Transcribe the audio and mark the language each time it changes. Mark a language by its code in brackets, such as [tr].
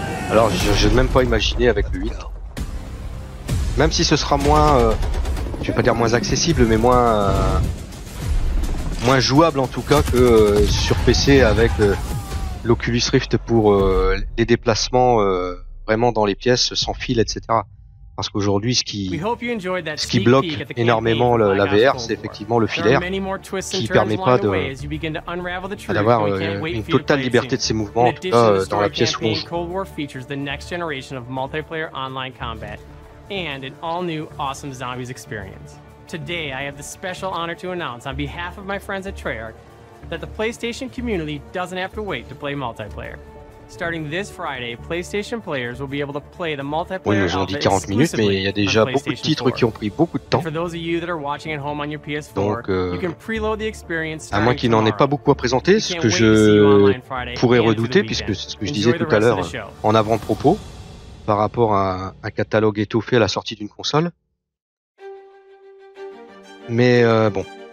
[fr] Alors je n'ai même pas imaginé avec le 8. Même si ce sera moins, je vais pas dire moins accessible, mais moins jouable en tout cas que sur PC avec l'Oculus Rift pour les déplacements vraiment dans les pièces sans fil, etc. Parce qu'aujourd'hui, ce qui bloque énormément la VR, c'est effectivement le filaire qui permet pas d'avoir une totale liberté de ses mouvements, en tout cas dans la pièce où on joue. [en] Cold War features the next generation of multiplayer online combat and an all new awesome zombies experience. Today, I have the special honor to announce, on behalf of my friends at Treyarch, that the PlayStation community doesn't have to wait to play multiplayer. Starting this Friday, PlayStation players will be able to play the multiplayer. [fr] Oui, j'en dis 40 minutes, mais il y a déjà beaucoup de titres qui ont pris beaucoup de temps. [en] For those of you that are watching at home on your PS4, donc, you can preload the experience. [fr] À moins qu'il n'en ait pas beaucoup à présenter, ce que je pourrais redouter, puisque c'est ce que je disais tout à l'heure en avant-propos, par rapport à un catalogue étoffé à la sortie d'une console. Mais bon.